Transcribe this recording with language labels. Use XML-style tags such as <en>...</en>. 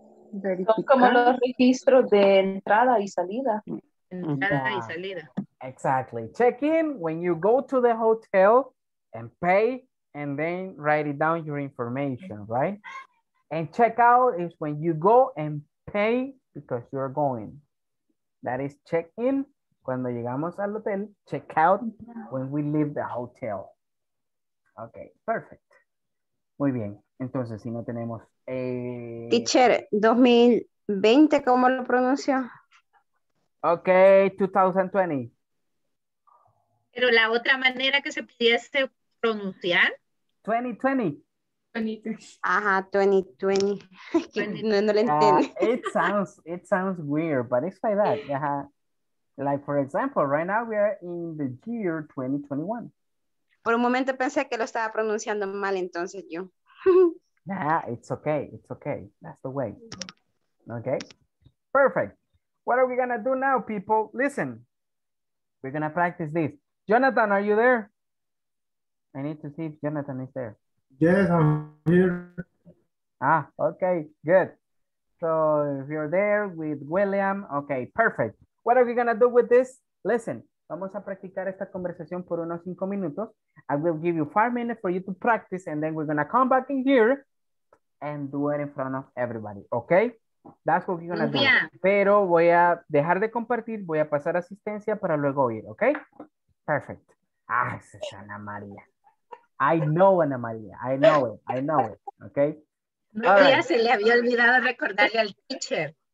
<es>Son como los registros de entrada y salida. Entrada y salida.</es> <en>Exactly. Check in when you go to the hotel and pay, and then write it down your information, right? And check out is when you go and pay because you're going. That is check in.</en> <es>Cuando llegamos al hotel,</es> <en>check out when we leave the hotel. Okay, perfect.</en> <es>Muy bien. Entonces, si no tenemos... Teacher, 2020, ¿cómo lo pronunció?</es> <en>Okay, 2020.</en> <es>Pero la otra manera que se pudiese pronunciar.</es> <en>2020.</en> <es>Ajá, 2020. No le entiendo.</es> <en>It sounds weird, but it's like that. Ajá. Like, for example, right now we are in the year 2021.</en> <es>Por un momento pensé que lo estaba pronunciando mal, entonces yo.</es> <en>Nah, it's okay. It's okay. That's the way. Okay? Perfect. What are we going to do now, people? Listen. We're going to practice this. Jonathan, are you there? I need to see if Jonathan is there. Yes, I'm here. Ah, okay, good. So if you're there with William, okay, perfect. What are we gonna do with this?</en> <es>Listen, vamos a practicar esta conversación por unos 5 minutos.</es> <en>I will give you 5 minutes for you to practice, and then we're gonna come back in here and do it in front of everybody, okay? That's what we're gonna do. Yeah.</en> <es>Pero voy a dejar de compartir, voy a pasar asistencia para luego ir, okay?</es> <en>Perfect.</en> <es>Ah, esa es Ana María.</es> <en>I know, Ana María. I know it. Okay.</en> <es>No, ya se le había olvidado recordarle al teacher.</es>